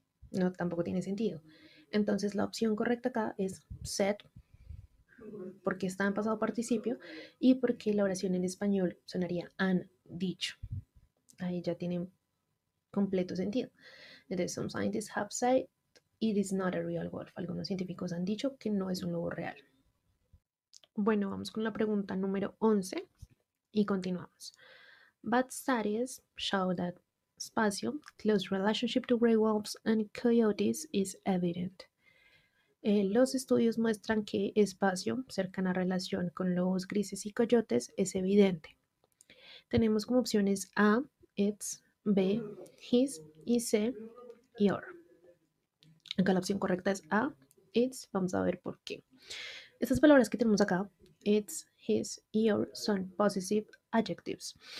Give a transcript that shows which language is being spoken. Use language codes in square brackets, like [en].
[es] No, tampoco tiene sentido. Entonces la opción correcta acá es said, porque está en pasado participio y porque la oración en español sonaría han dicho. Ahí ya tiene completo sentido. Entonces, [en] some scientists have said it is not a real wolf. [es] Algunos científicos han dicho que no es un lobo real. Bueno, vamos con la pregunta número 11 y continuamos. [en] But studies show that spacio, close relationship to gray wolves and coyotes is evident. [es] Los estudios muestran que espacio, cercana relación con lobos grises y coyotes, es evidente. Tenemos como opciones A, it's, B, his y C, your. Acá la opción correcta es A, it's, vamos a ver por qué. Estas palabras que tenemos acá, it's, his, your, son possessive adjectives.